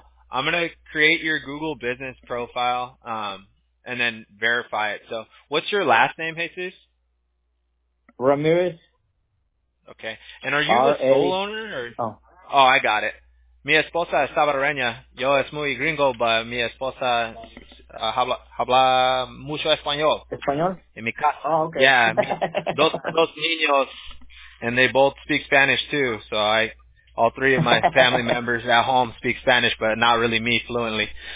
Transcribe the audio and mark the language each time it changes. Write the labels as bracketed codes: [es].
[en] I'm gonna create your Google business profile and then verify it. So what's your last name, Jesus? Ramirez. Okay. And are you R-A- a sole owner or oh I got it. [es] Mi esposa es salvadoreña. Yo es muy gringo, but mi esposa habla mucho español. ¿Español? En mi casa. [en] Oh, okay. Yeah. [es] dos niños, [en] and they both speak Spanish too. So all three of my family members at home speak Spanish, but not really me fluently.